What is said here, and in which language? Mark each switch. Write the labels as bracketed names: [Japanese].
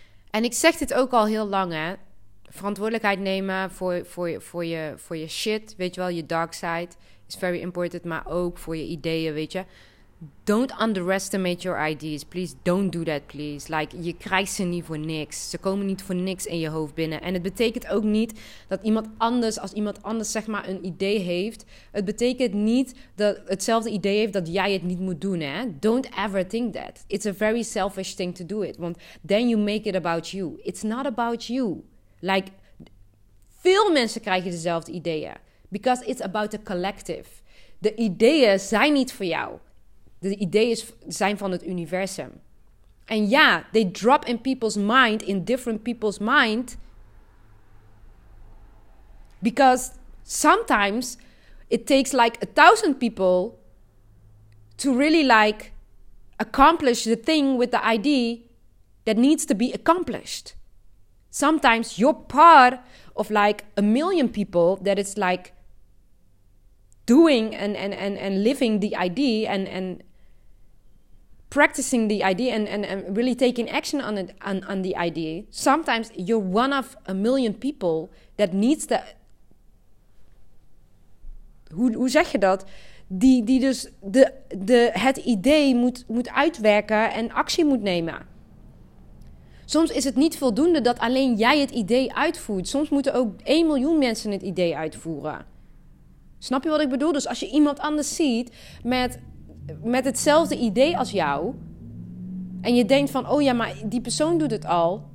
[Dutch] En ik zeg dit ook al heel lang, hè. Verantwoordelijkheid nemen voor je shit, weet je wel, je [English] dark side is very important, [Dutch] maar ook voor je ideeën, weet je. [English] Don't underestimate your ideas, please, don't do that, please. [Dutch] Like, je krijgt ze niet voor niks, ze komen niet voor niks in je hoofd binnen. En het betekent ook niet dat iemand anders, als iemand anders zeg maar een idee heeft, het betekent niet dat hetzelfde idee heeft dat jij het niet moet doen, hè. [English] Don't ever think that. It's a very selfish thing to do it, [Dutch] want [English] then you make it about you. It's not about you. [Dutch] Like, veel mensen krijgen dezelfde ideeën. [English] Because it's about the collective. [Dutch] De ideeën zijn niet voor jou. De ideeën zijn van het universum. En ja, [English] they drop in people's mind, in different people's mind. Because sometimes it takes like 1,000 people to really like accomplish the thing with the idea that needs to be accomplished. Sometimes you're part of like 1,000,000 people that is like doing and living the idea and practicing the idea and really taking action on it on the idea. Sometimes you're one of 1,000,000 people that needs the [Dutch] hoe zeg je dat? Die dus de het idee moet uitwerken en actie moet nemen. Soms is het niet voldoende dat alleen jij het idee uitvoert. Soms moeten ook 1 miljoen mensen het idee uitvoeren. Snap je wat ik bedoel? Dus als je iemand anders ziet met hetzelfde idee als jou, en je denkt van, oh ja, maar die persoon doet het al.